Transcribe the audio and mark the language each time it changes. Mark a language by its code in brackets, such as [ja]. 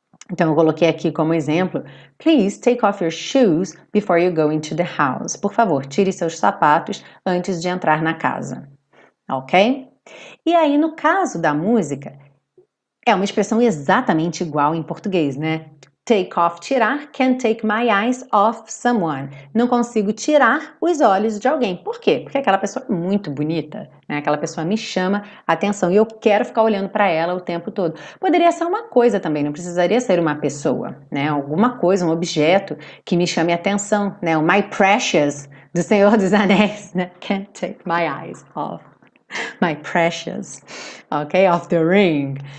[pt] Então, eu coloquei aqui como exemplo: [en] Please take off your shoes before you go into the house. [pt] Por favor, tire seus sapatos antes de entrar na casa. Ok? E aí, no caso da música, é uma expressão exatamente igual em português, né? Take off, tirar. [en] Can't take my eyes off someone. [pt] Não consigo tirar os olhos de alguém. Por quê? Porque aquela pessoa é muito bonita, né? Aquela pessoa me chama a atenção e eu quero ficar olhando para ela o tempo todo. Poderia ser uma coisa também, não precisaria ser uma pessoa, né? Alguma coisa, um objeto que me chame a atenção, né? O My Precious do Senhor dos Anéis, né? [en] Can't take my eyes off my precious, ok? Off the ring.